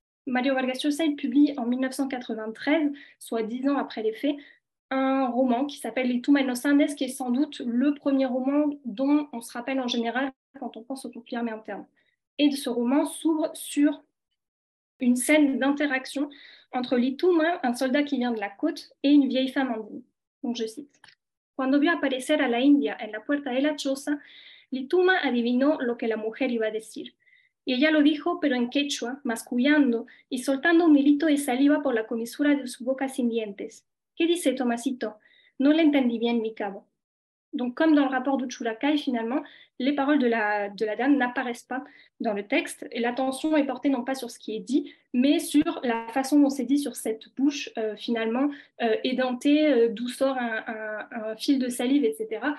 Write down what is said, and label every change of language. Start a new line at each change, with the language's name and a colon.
French: Mario Vargas Llosa publie en 1993, soit 10 ans après les faits, un roman qui s'appelle Les Tumanos Andes, qui est sans doute le premier roman dont on se rappelle en général quand on pense au conflit armé interne. Et ce roman s'ouvre sur une scène d'interaction entre Lituma, un soldat qui vient de la côte, et une vieille femme andine. Donc je cite:
Spanish: Cuando vio aparecer a la India en la puerta de la choza, Lituma adivinó lo que la mujer iba a decir. Y ella lo dijo, pero en quechua, mascullando y soltando un hilito de saliva por la comisura de su boca sin dientes. ¿Qué dice, Tomasito? No le entendí bien, mi cabo.
French: Donc, comme dans le rapport d'Uchulacay, finalement, les paroles de la dame n'apparaissent pas dans le texte. Et l'attention est portée non pas sur ce qui est dit, mais sur la façon dont c'est dit sur cette bouche, finalement, édentée, d'où sort un fil de salive, etc.